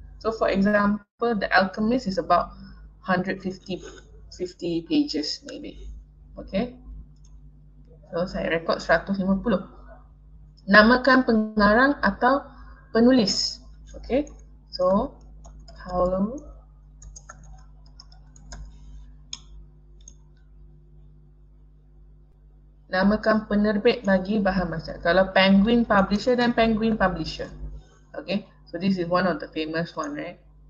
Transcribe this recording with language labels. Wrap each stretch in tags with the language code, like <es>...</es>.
<en>So for example, The Alchemist is about 150 pages maybe.</en> <ms>Okay. So saya rekod 150. Namakan pengarang atau penulis. Okay. So Paulo. Namakan penerbit bagi bahan bacaan. Kalau Penguin Publisher, then Penguin Publisher.</ms> <en>Okay, so this is one of the famous one, right?</en>